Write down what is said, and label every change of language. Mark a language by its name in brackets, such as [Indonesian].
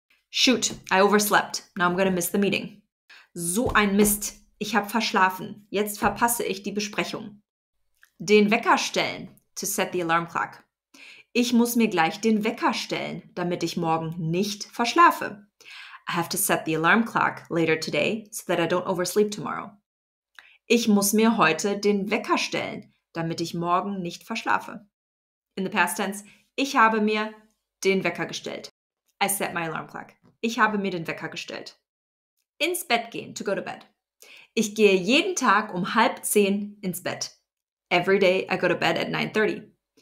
[English] Shoot, I overslept. Now I'm gonna miss the meeting. [German] So ein Mist. Ich habe verschlafen. Jetzt verpasse ich die Besprechung. Den Wecker stellen. [English] To set the alarm clock. [German] Ich muss mir gleich den Wecker stellen, damit ich morgen nicht verschlafe. [English] I have to set the alarm clock later today, so that I don't oversleep tomorrow. [German] Ich muss mir heute den Wecker stellen, damit ich morgen nicht verschlafe. [English] In the past tense, [German] ich habe mir den Wecker gestellt. [English] I set my alarm clock. [German] Ich habe mir den Wecker gestellt. Ins Bett gehen, [English] to go to bed. [German] Ich gehe jeden Tag um 9:30 ins Bett. [English] Every day I go to bed at 9:30.